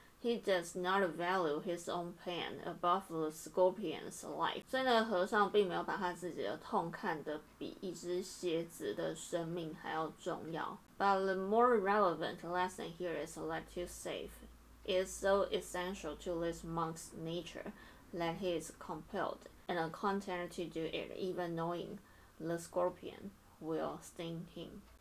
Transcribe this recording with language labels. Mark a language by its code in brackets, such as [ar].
[en] He does not value his own pain above the scorpion's life。 [zh] 所以呢，和尚并没有把他自己的痛看得比一只蝎子的生命还要重要。 [en] But the more relevant lesson here is that to save is so essential to this monk's nature that he is compelled and content to do it even knowing the scorpion will sting him。